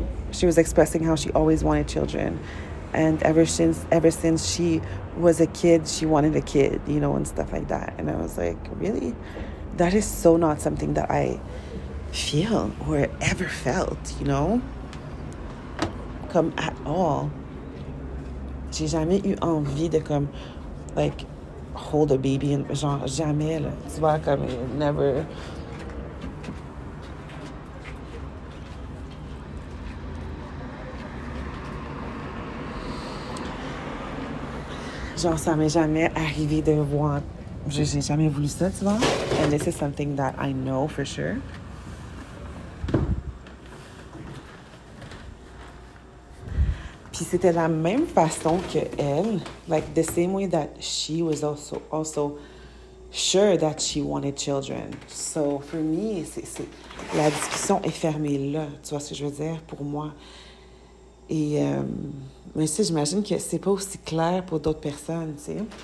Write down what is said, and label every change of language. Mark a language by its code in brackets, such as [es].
[en] She was expressing how she always wanted children, and ever since she was a kid, she wanted a kid, you know, and stuff like that. And I was like, really? That is so not something that I feel or ever felt, you know? comme at all. [fr] J'ai jamais eu envie de comme [en] like hold a baby, [fr] genre jamais là. Tu vois comme [en] never. [fr] Genre ça m'est jamais arrivé de voir. J'ai jamais voulu ça, tu vois. [en] And this is something that I know for sure. [fr] Puis c'était la même façon que elle, [en] like the same way that she was also sure that she wanted children. So for me, [fr] c'est la discussion est fermée là. Tu vois ce que je veux dire pour moi. Et mais tu sais, j'imagine que c'est pas aussi clair pour d'autres personnes, tu sais.